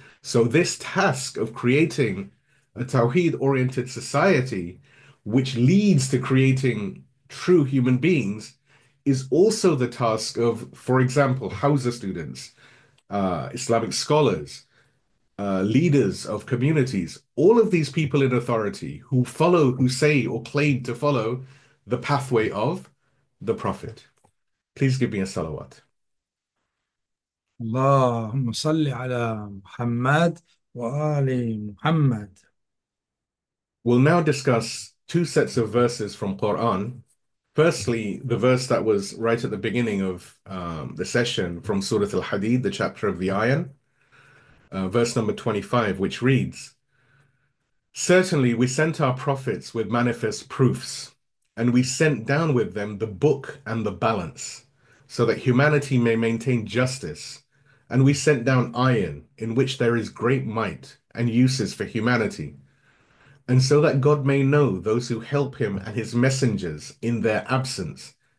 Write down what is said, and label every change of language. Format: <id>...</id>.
<en>So this task of creating a tawhid-oriented society, which leads to creating true human beings, is also the task of, for example, Hawza students, Islamic scholars, leaders of communities, all of these people in authority who follow, who say or claim to follow the pathway of the Prophet. Please give me a salawat.</en> <ar>اللهم صل على محمد وآل محمد.</ar> <en>We'll now discuss two sets of verses from Quran. Firstly, the verse that was right at the beginning of the session from Surah Al-Hadid, the chapter of the Ayan, verse number 25, which reads, "Certainly we sent our prophets with manifest proofs, and we sent down with them the book and the balance, so that humanity may maintain justice, and we sent down iron in which there is great might and uses for humanity, and so that God may know those who help him and his messengers in their absence.</en>